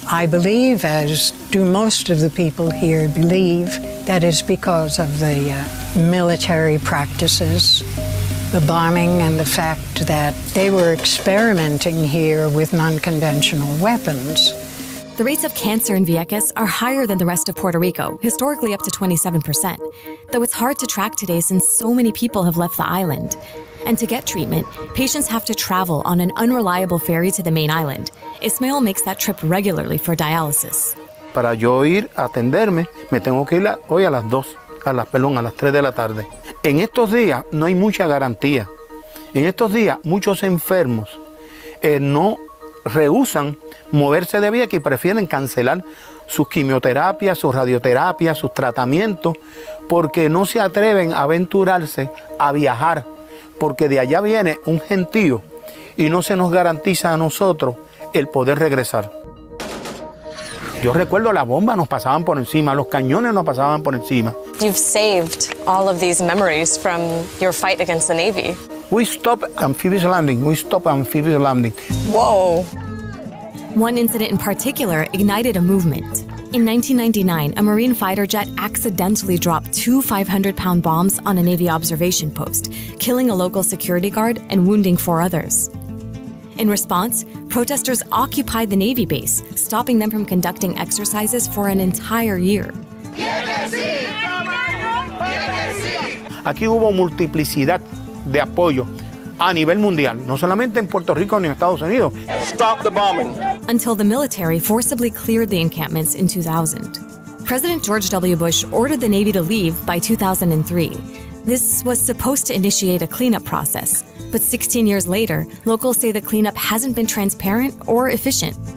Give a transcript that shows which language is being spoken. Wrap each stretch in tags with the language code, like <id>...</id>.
<en>I believe, as do most of the people here believe, that is because of the military practices, the bombing, and the fact that they were experimenting here with non-conventional weapons. The rates of cancer in Vieques are higher than the rest of Puerto Rico, historically up to 27%, though it's hard to track today since so many people have left the island. And to get treatment, patients have to travel on an unreliable ferry to the main island. Ismael makes that trip regularly for dialysis.</en> <es>Para yo ir a atenderme, me tengo que ir hoy a las 2, a las 3 de la tarde. En estos días no hay mucha garantía. En estos días muchos enfermos no rehúsan moverse de Vieques y prefieren cancelar sus quimioterapias, sus radioterapias, sus tratamientos, porque no se atreven a aventurarse a viajar. Porque de allá viene un gentío y no se nos garantiza a nosotros el poder regresar. Yo recuerdo las bombas nos pasaban por encima, los cañones nos pasaban por encima.</es> <en>You've saved all of these memories from your fight against the Navy. We stop amphibious landing, we stop amphibious landing. Whoa. One incident in particular ignited a movement. In 1999, a Marine fighter jet accidentally dropped two 500-pound bombs on a Navy observation post, killing a local security guard and wounding four others. In response, protesters occupied the Navy base, stopping them from conducting exercises for an entire year.</en> <es>Aquí hubo multiplicidad de apoyo a nivel mundial, no solamente en Puerto Rico ni en Estados Unidos.</es> <en>Stop the bombing. Until the military forcibly cleared the encampments in 2000. President George W. Bush ordered the Navy to leave by 2003. This was supposed to initiate a cleanup process, but 16 years later, locals say the cleanup hasn't been transparent or efficient.</en>